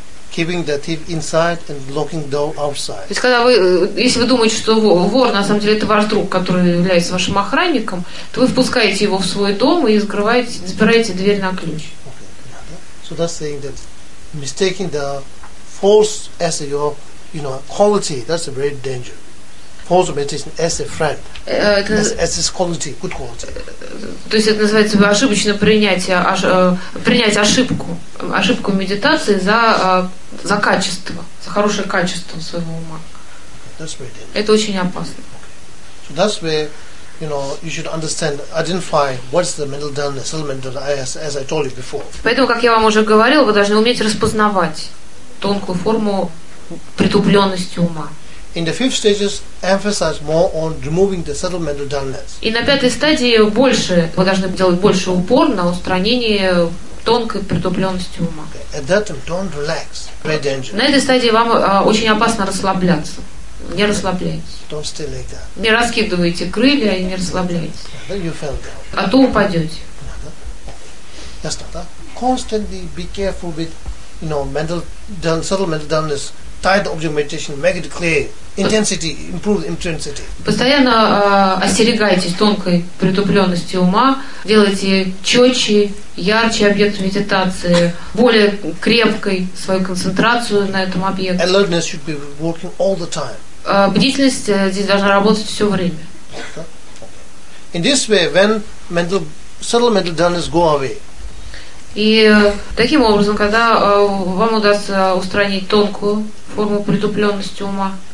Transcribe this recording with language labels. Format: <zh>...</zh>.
<en>Keeping the thief inside and locking the door outside.</en> <ru>То есть, когда вы, если вы думаете, что вор на самом деле это ваш друг, который является вашим охранником, то вы впускаете его в свой дом и запираете дверь на ключ.</ru> <en>So that's saying that mistaking the false as your, you know, quality, that's a very danger. False reputation as a friend, as his quality, good quality.</en> <ru>То есть это называется ошибочно принять ошибку медитации за качество, за хорошее качество своего ума. Это очень опасно.</ru> <en>So that's where, you know, you should understand, identify what's the mental dullness, as I told you before.</en> <ru>Поэтому, как я вам уже говорила, вы должны уметь распознавать тонкую форму притупленности ума.</ru> <en>In the fifth stages, emphasize more on removing the subtle mental dullness.</en> <ru>И на пятой стадии вы должны делать больше упор на устранение тонкой притупленности ума.</ru> <en>At that time, don't relax. Very dangerous.</en> <ru>На этой стадии вам очень опасно расслабляться. Не расслабляйтесь.</ru> <en>Don't stay like that.</en> <ru>Не раскидывайте крылья и не расслабляйтесь.</ru> <en>Yeah, then you fell down.</en> <ru>А то упадете.</ru> <en>Yes, Tata. Constantly be careful with, you know, subtle mental dullness. Tie the object meditation, make it clear. Intensity, improve intensity.</en> <ru>Постоянно остерегайтесь тонкой притупленности ума. Делайте четче, ярче объект медитации, более крепкой свою концентрацию на этом объекте.</ru> <en>Alertness should be working all the time.</en> <ru>Бдительность здесь должна работать все время.</ru> <en>In this way, when subtle mental dullness go away.</en> <ru>И таким образом, когда вам удастся устранить тонкую форму притупленности ума,</ru>